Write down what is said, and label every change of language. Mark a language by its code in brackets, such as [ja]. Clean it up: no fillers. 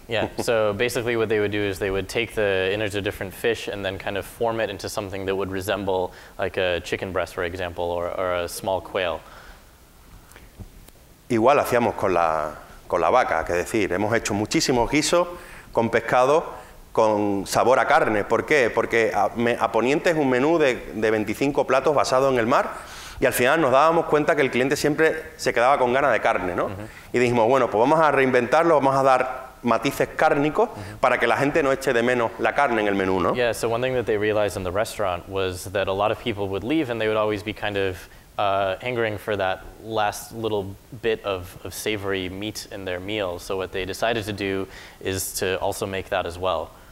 [en] Yeah, so basically what they would do is they would take the innards of different fish and then kind of form it into something that would resemble like a chicken breast, for example, or a small quail. [es] Igual hacíamos con la vaca, que decir, hemos hecho muchísimos guisos con pescado con sabor a carne. ¿Por qué? Porque a Poniente es un menú de 25 platos basado en el mar y al final nos dábamos cuenta que el cliente siempre se quedaba con ganas de carne, ¿no? Y dijimos, bueno, pues vamos a reinventarlo, vamos a dar matices cárnicos para que la gente no eche de menos la carne en el menú, ¿no? [en] Yeah, so one thing that they realized in the restaurant was that a lot of people would leave and they would always be kind of hankering for that last little bit of savory meat in their meal. So what they decided to do is to also make that as well.